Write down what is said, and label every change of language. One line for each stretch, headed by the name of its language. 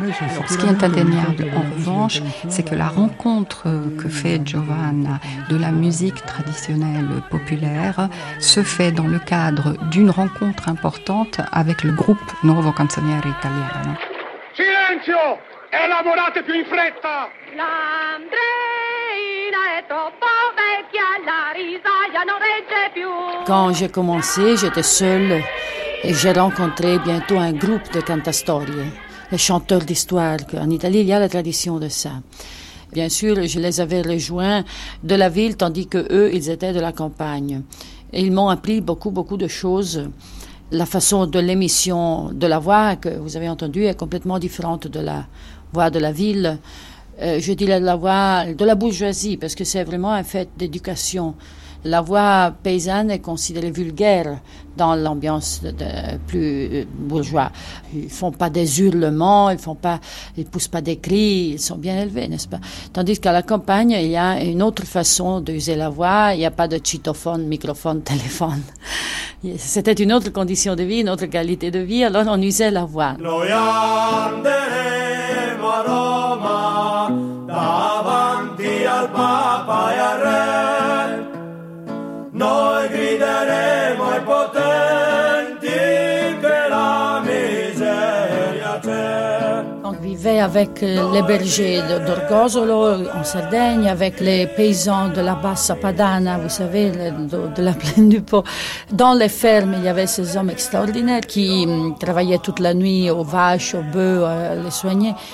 French: Alors, ce qui est indéniable, en revanche, c'est que la rencontre que fait Giovanna de la musique traditionnelle populaire se fait dans le cadre d'une rencontre importante avec le groupe Nuovo Canzoniere Italiano.
Italian: Silenzio! Elaborate più in fretta! L'Andreina è troppo vecchia, la risaia non regge più.
French: Quand j'ai commencé, j'étais seule et j'ai rencontré bientôt un groupe de cantastorie. Les chanteurs d'histoire, qu'en Italie, il y a la tradition de ça. Bien sûr, je les avais rejoints de la ville, tandis que eux, ils étaient de la campagne. Et ils m'ont appris beaucoup, beaucoup de choses. La façon de l'émission de la voix, que vous avez entendue, est complètement différente de la voix de la ville. Je dis la voix de la bourgeoisie, parce que c'est vraiment un fait d'éducation. La voix paysanne est considérée vulgaire dans l'ambiance plus bourgeois. Ils ne font pas des hurlements, ils ne poussent pas des cris, ils sont bien élevés, n'est-ce pas? Tandis qu'à la campagne, il y a une autre façon d'user la voix, il n'y a pas de citophone, microphone, téléphone. C'était une autre condition de vie, une autre qualité de vie, alors on usait la voix.
Italian: Noi andremo a Roma, davanti al Papa e al Re. Noi grideremo ai potenti che la miseria c'è.
French: Vivait avec les bergers d'Orgosolo en Sardaigne, avec les paysans de la Bassa Padana, vous savez, de la plaine du Pô. Dans les fermes, il y avait ces hommes extraordinaires qui travaillaient toute la nuit aux vaches, aux bœufs, à les soigner.